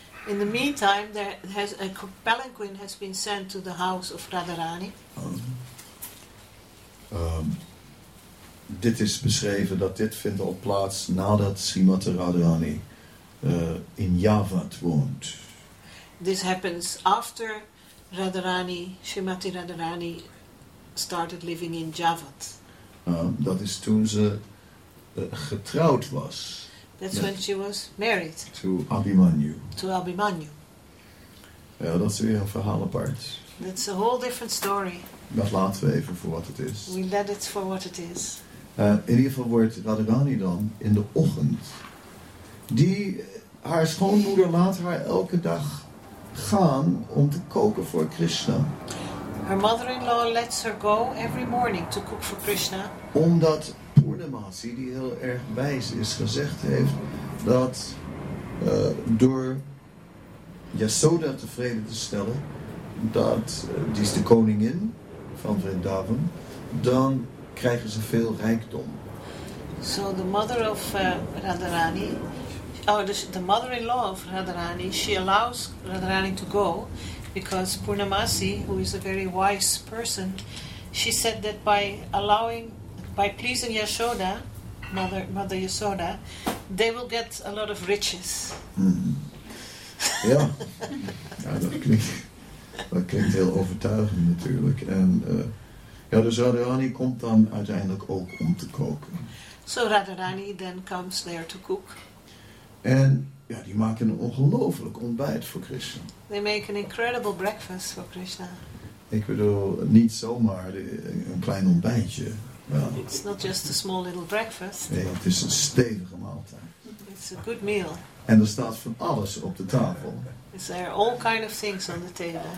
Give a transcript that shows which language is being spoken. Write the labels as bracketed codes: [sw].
[en] In the meantime, there has a palanquin has been sent to the house of Radharani. [nl] Dit is beschreven dat dit vindt al plaats nadat Srimati Radharani in Javad woont. [en] This happens after Radharani, Srimati Radharani started living in Javad. [nl] Dat is toen ze getrouwd was. [en] That's when she was married. To Abhimanyu. To Abhimanyu. [nl] Ja, dat is weer een verhaal apart. [en] That's a whole different story. [nl] Dat laten we even voor wat het is. [en] We let it for what it is. [nl] In ieder geval wordt Radharani dan in de ochtend. Die, haar schoonmoeder laat haar elke dag gaan om te koken voor Krishna. [en] Her mother-in-law lets her go every morning to cook for Krishna. [nl] Omdat Purnamasi, die heel erg wijs is, gezegd heeft dat door Yasoda tevreden te stellen, dat die is de koningin van Vrindavan, dan krijgen ze veel rijkdom. [en] So the mother of Radharani, the mother-in-law of Radharani, she allows Radharani to go because Purnamasi, who is a very wise person, she said that by pleasing Yasoda, mother Yasoda, they will get a lot of riches. Mm-hmm. Ja. [nl] Ja, dat klinkt heel overtuigend natuurlijk. En ja, dus Radharani komt dan uiteindelijk ook om te koken. [en] So Radharani then comes there to cook. [nl] En ja, die maken een ongelooflijk ontbijt voor Krishna. [en] They make an incredible breakfast for Krishna. [nl] Ik bedoel, niet zomaar een klein ontbijtje. [en] Well, it's not just a small little breakfast. [nl] Nee, het is een stevige maaltijd. [en] It's a good meal. [nl] En er staat van alles op de tafel. [en] Is there are all kind of things on the table.